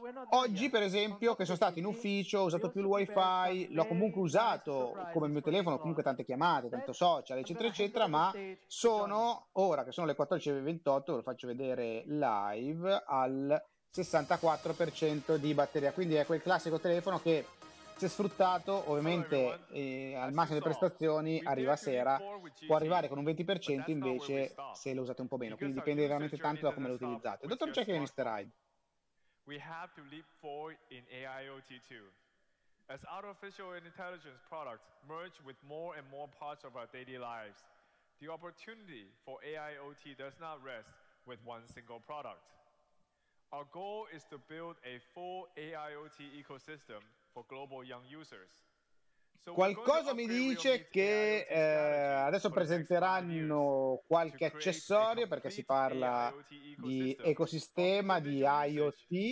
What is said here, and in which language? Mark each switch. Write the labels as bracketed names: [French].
[Italian] Oggi, per esempio, che sono stato in ufficio, ho usato più il wifi, l'ho comunque usato come mio telefono, comunque tante chiamate, tanto social, eccetera, eccetera, ma sono, ora che sono le 14.28, ve lo faccio vedere live, al 64% di batteria. Quindi è quel classico telefono che se sfruttato, ovviamente al massimo delle prestazioni arriva sera, può arrivare con un 20% invece se lo usate un po' meno, quindi dipende veramente tanto da come lo utilizzate. Dottor Jack e Mr. Hyde. [English] We have to leap forward in AIoT too. As artificial intelligence products merge with more and more parts of our daily lives, the opportunity for AIoT does not rest with one single product. Our goal is to build a full AIoT ecosystem for global young users. [Italian] Qualcosa mi dice che adesso presenteranno qualche accessorio, perché si parla di ecosistema, di IoT.